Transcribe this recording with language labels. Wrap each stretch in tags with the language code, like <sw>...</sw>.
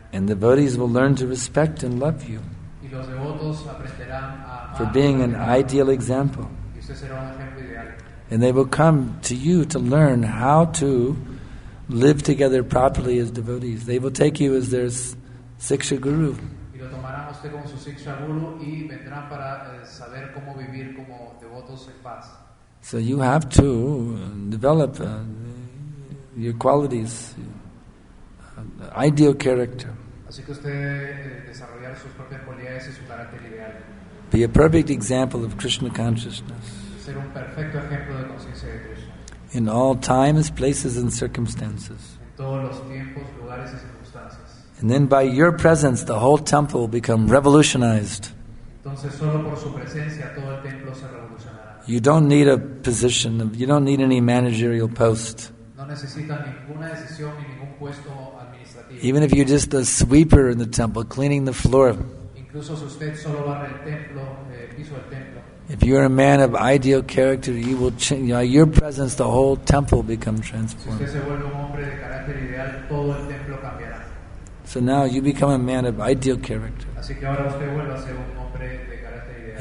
<en>And the devotees will learn to respect and love you.</en> <es>Y los devotos aprenderán a amar</es> <en>for being an ideal example.</en> <es>Y usted será un ejemplo ideal.</es> <en>And they will come to you to learn how to live together properly as devotees. They will take you as their siksha guru.</en> <es>Y lo tomarán usted como su siksha guru y vendrán para saber cómo vivir como devotos en paz.</es> <en>So you have to develop your qualities, ideal character.</en> <es>Así que usted desarrollar sus propias cualidades y su carácter ideal.</es> <en>Be a perfect example of Krishna consciousness.</en> <es>Ser un perfecto ejemplo de conciencia de Krishna.</es> <en>In all times, places, and circumstances.</en> <es>En todos los tiempos, lugares y circunstancias.</es> <en>And then by your presence, the whole temple will become revolutionized.</en> <es>Entonces, solo por su presencia, todo el templo se revolucionará.</es> <en>You don't need a position, you don't need any managerial post.</en> <es>No necesita ninguna decisión ni ningún puesto administrativo.</es> <en>Even if you're just a sweeper in the temple, cleaning the floor.</en> <es>Incluso si usted solo barre el templo, piso del templo.</es> <en>If you are a man of ideal character, you will change, you know, your presence, the whole temple will become transformed.</en> <es>Si usted se vuelve un hombre de carácter ideal, todo el templo cambiará.</es> <en>So now you become a man of ideal character.</en> <es>Así que ahora usted vuelve a ser un hombre de carácter ideal.</es>